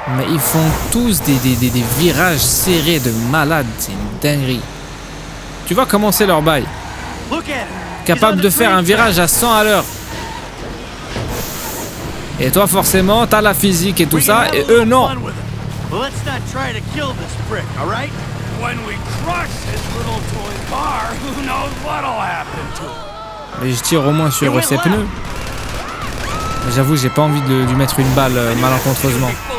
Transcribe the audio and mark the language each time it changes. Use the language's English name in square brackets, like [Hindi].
[French] Mais ils font tous des virages serrés de malade, c'est une dinguerie. Tu vois comment c'est leur bail. [English] Look at him. [French] Capable de faire un virage à 100 à l'heure. Et toi forcément, t'as la physique et tout ça et eux non. [English] Well, let's not try to kill this prick, all right? When we crush his little toy car, who knows what'll happen to him? [French] Mais je tire au moins sur ses pneus. Mais j'avoue, j'ai pas envie de lui mettre une balle malencontreusement.